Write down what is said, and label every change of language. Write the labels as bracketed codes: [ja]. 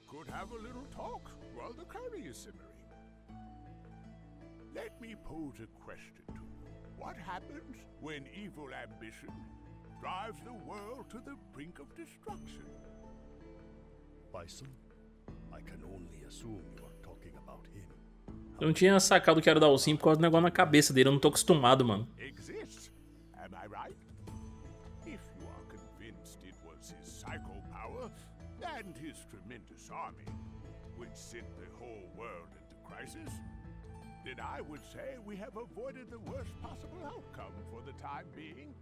[en] Have a little talk while the curry is simmering. Let me pose a question to you. What happens when evil ambition drives the world to the brink of destruction? Bison, I can only assume you are talking about him. [pt] Eu não tinha sacado que era o Dalsin por causa do negócio na cabeça dele. Eu não tô acostumado, mano. [en] Exists, am I right? If you are convinced it was his psycho power, and his tremendous army, which sent the whole world into crisis, then I would say we have avoided the worst possible outcome for the time being.